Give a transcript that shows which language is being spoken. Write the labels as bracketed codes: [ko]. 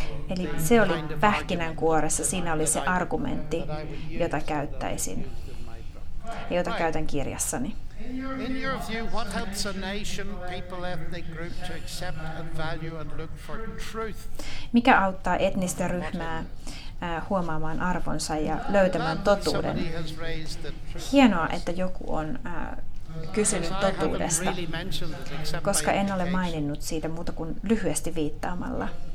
[fi] Eli se oli pähkinänkuoressa, siinä oli se argumentti, jota käyttäisin ja jota käytän kirjassani. [en] In your view, what helps a nation, people, ethnic group to accept and value and look for truth? [fi] Mikä auttaa etnistä ryhmää huomaamaan arvonsa ja löytämään totuuden? Hienoa, että joku on kysynyt totuudesta, koska en ole maininnut siitä muuta kuin lyhyesti viittaamalla.